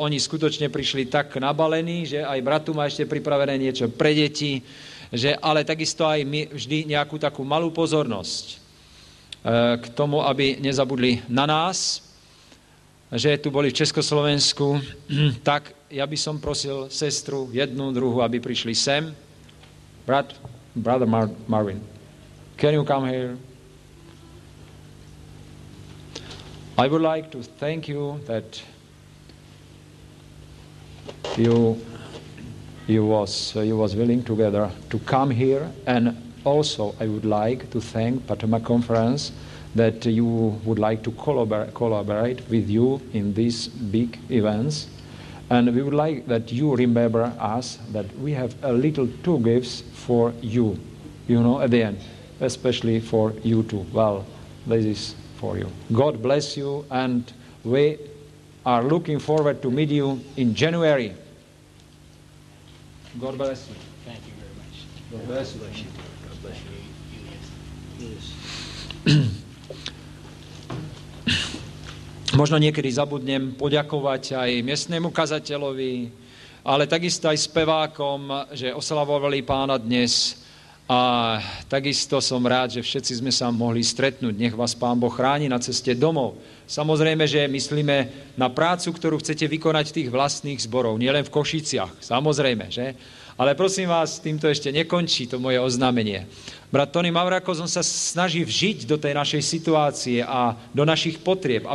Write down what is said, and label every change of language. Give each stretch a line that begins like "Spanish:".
Slovak: Oni skutočne prišli tak nabalení, že aj bratu má ešte pripravené niečo pre deti, že, ale takisto aj my vždy nejakú takú malú pozornosť k tomu, aby nezabudli na nás, že tu boli v Československu, tak ja by som prosil sestru jednu, druhú, aby prišli sem.
English: Brother Marvin, can you come here? I would like to thank you that you was willing together to come here, and also I would like to thank Patama Conference that you would like to collaborate with you in these big events, and we would like that you remember us that we have a little two gifts for you, you know, at the end, especially for you too. Well, this is for you. God bless you, and we are looking forward to meet you in January. God bless you. Thank you very much. God bless you. God bless you. God bless you.
Slovak: Možno niekedy zabudnem poďakovať aj miestnemu kazateľovi, ale takisto aj spevákom, že oslavovali Pána dnes. A takisto som rád, že všetci sme sa mohli stretnúť. Nech vás Pán Boh chráni na ceste domov. Samozrejme, že myslíme na prácu, ktorú chcete vykonať v tých vlastných zboroch, nielen v Košiciach, samozrejme, že? Ale prosím vás, týmto ešte nekončí to moje oznámenie. Brat Tony Mavrakos, on sa snaží vžiť do tej našej situácie a do našich potrieb.